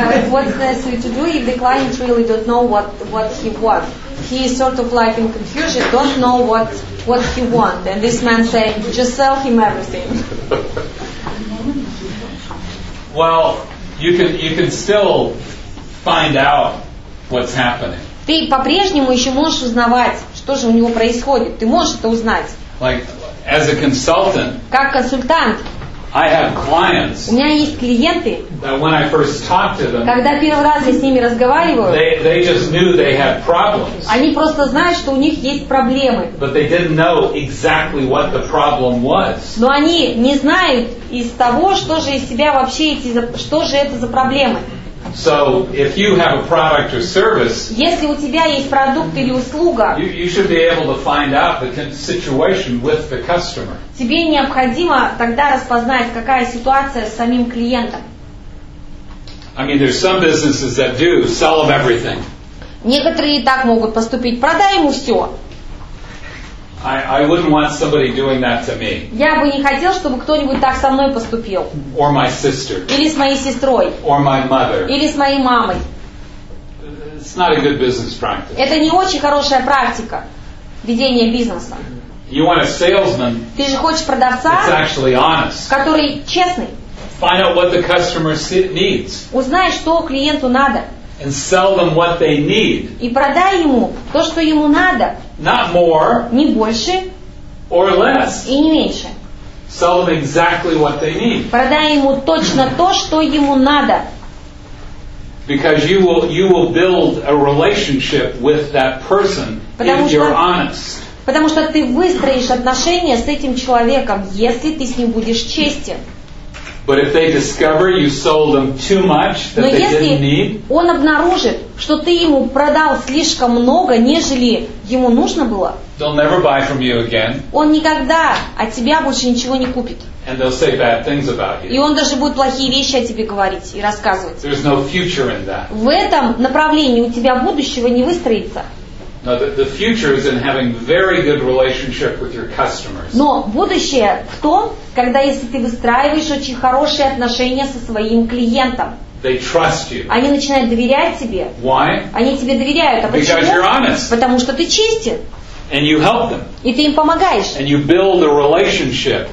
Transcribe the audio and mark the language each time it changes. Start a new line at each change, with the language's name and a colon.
English: What necessary to do if the client really don't know what he wants? He is sort of like in confusion, don't know what he wants. And this man saying, just sell him everything. Well, You can still find out what's happening.
Russian: Ты по-прежнему еще можешь узнавать, что же у него происходит. Ты можешь это узнать.
English: Like as a consultant.
Russian: Как консультант.
English: I have clients.
Russian: У меня есть клиенты.
English: That when I first talk to them.
Russian: Когда первый раз я с ними разговариваю.
English: They just knew they had problems.
Russian: Они просто знают, что у них есть проблемы.
English: But they didn't know exactly what the problem was.
Russian: Но они не знают из того, что же из себя вообще эти, что же это за проблемы.
English: So if you have a product or service.
Russian: Если у тебя есть продукт или услуга.
English: You should be able to find out the situation with the customer.
Russian: Тебе необходимо тогда распознать, какая ситуация с самим клиентом.
English: I mean, there's some businesses that do sell them everything.
Russian: Некоторые так могут поступить, продай ему все.
English: I wouldn't want somebody doing that to me.
Russian: Я бы не хотел, чтобы кто-нибудь так со мной поступил.
English: Or my sister.
Russian: Или с моей сестрой.
English: Or my mother.
Russian: Или с моей мамой.
English: It's not a good business practice.
Russian: Это не очень хорошая практика ведения бизнеса.
English: You want a salesman?
Russian: Ты же хочешь продавца?
English: That's actually honest.
Russian: Который честный.
English: Find out what the customer needs.
Russian: Узнай, что клиенту надо.
English: And sell them what they need.
Russian: И продай ему то, что ему надо.
English: Not more.
Russian: Не больше.
English: Or less.
Russian: И не меньше.
English: Sell them exactly what they need.
Russian: Продай ему точно то, что ему надо.
English: Because you will build a relationship with that person if you're honest.
Russian: Потому что ты выстроишь отношения с этим человеком, если ты с ним будешь честен.
English: But if they discover you sold them too much that
Russian: Но
English: they didn't need.
Russian: Но если он обнаружит, что ты ему продал слишком много, нежели ему нужно было.
English: They'll never buy from you again.
Russian: Он никогда от тебя больше ничего не купит.
English: And they'll say bad things about you.
Russian: И он даже будет плохие вещи о тебе говорить и рассказывать.
English: There's no future in that.
Russian: В этом направлении у тебя будущего не выстроится.
English: The future is in having very good relationship with your customers.
Russian: Но будущее в том, когда если ты выстраиваешь очень хорошие отношения со своим клиентом.
English: They trust you.
Russian: Они начинают доверять тебе.
English: Why?
Russian: Они тебе доверяют. А почему?
English: Because you're honest.
Russian: Потому что ты честен.
English: And you help them.
Russian: И ты им помогаешь.
English: And you build a relationship.